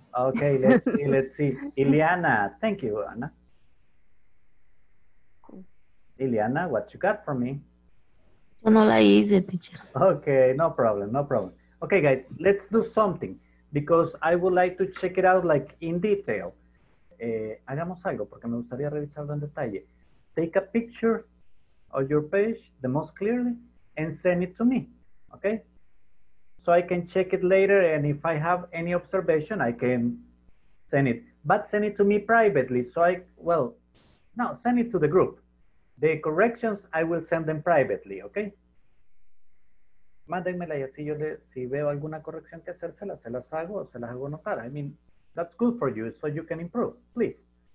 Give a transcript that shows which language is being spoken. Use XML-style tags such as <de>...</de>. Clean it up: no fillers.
<en>Okay, let's see. Ileana, thank you, Ana. Ileana, what you got for me?</en> <es>Yo no la hice, teacher.</es> <en>Okay, no problem. Okay, guys, let's do something because I would like to check it out like in detail.</en> <es>Hagamos algo porque me gustaría revisarlo en detalle.</es> <en>Take a picture of your page, the most clearly, and send it to me. Okay? So I can check it later, and if I have any observation, I can send it. But send it to me privately. Send it to the group. The corrections, I will send them privately, okay?</en> <es>Mándenmela y así si veo alguna corrección que hacérsela, se las hago notar.</es> <en>I mean, that's good for you, so you can improve, please.</en>